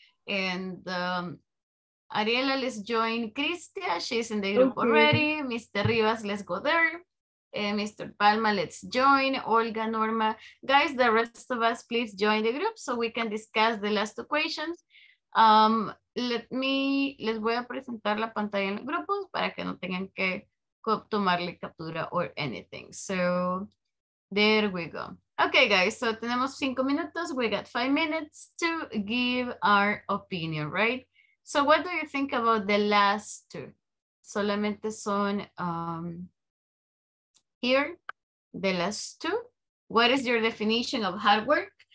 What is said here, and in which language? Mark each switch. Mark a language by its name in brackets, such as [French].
[English] And Ariela, let's join Cristia. She's in the group already. Mr. Rivas, let's go there. Mr. Palma, let's join. Olga, Norma. Guys, the rest of us, please join the group so we can discuss the last two questions. [Spanish] Les voy a presentar la pantalla en los grupos para que no tengan que tomarle captura [English] or anything. So there we go. Okay, guys, so [Spanish] tenemos 5 minutos. [English] We got 5 minutes to give our opinion, right? So what do you think about the last two? [Spanish] Solamente son... [English] here, the last two. What is your definition of hard work?